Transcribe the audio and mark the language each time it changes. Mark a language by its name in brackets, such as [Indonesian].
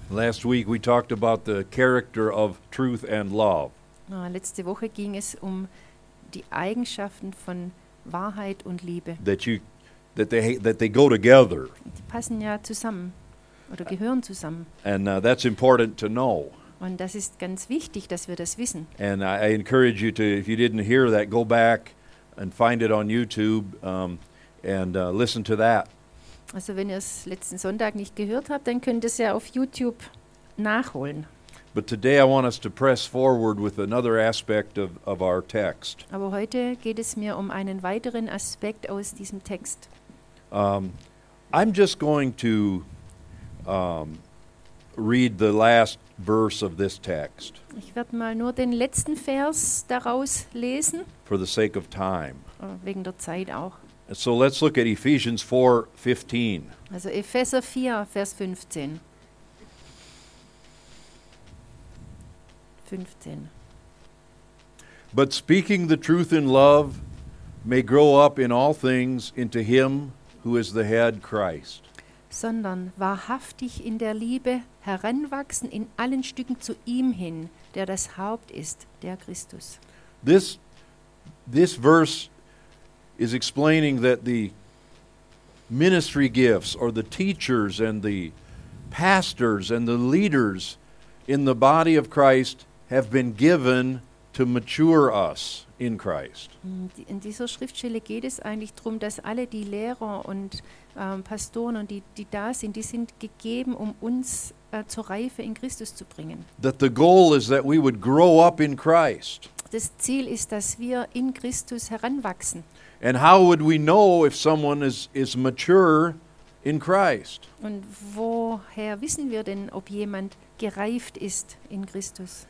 [English] Last week we talked about the character of truth and love. [German] Letzte Woche ging es um die Eigenschaften von Wahrheit und Liebe. [English] That they go together. [German] Die passen ja zusammen oder gehören zusammen. [English] And that's important to know. [German] Und das ist ganz wichtig, dass wir das wissen. [English] And I encourage you to, if you didn't hear that, go back and find it on YouTube and listen to that. [German] Also wenn ihr es letzten Sonntag nicht gehört habt, dann könnt ihr es ja auf YouTube nachholen. [English] But today I want us to press forward with another aspect of our text. [German] Aber heute geht es mir um einen weiteren Aspekt aus diesem Text. [English] I'm just going to read the last verse of this text. [German] Ich werde mal nur den letzten Vers daraus lesen. [English] For the sake of time. [German] Wegen der Zeit auch. [English] So let's look at Ephesians 4:15. [German] Also Epheser 4, Vers 15. [English] But speaking the truth in love may grow up in all things into him who is the head, Christ. [German] Sondern wahrhaftig in der Liebe heranwachsen in allen Stücken zu ihm hin, der das Haupt ist, der Christus. [English] This verse is explaining that the ministry gifts or the teachers and the pastors and the leaders in the body of Christ have been given to mature us in Christ. [German] In dieser Schriftstelle geht es eigentlich darum, dass alle die Lehrer und Pastoren und die da sind, die sind gegeben, um uns zur Reife in Christus zu bringen. [English] That the goal is that we would grow up in Christ. [German] Das Ziel ist, dass wir in Christus heranwachsen. [English] And how would we know if someone is mature in Christ? [German] Und woher wissen wir denn, ob jemand gereift ist in Christus?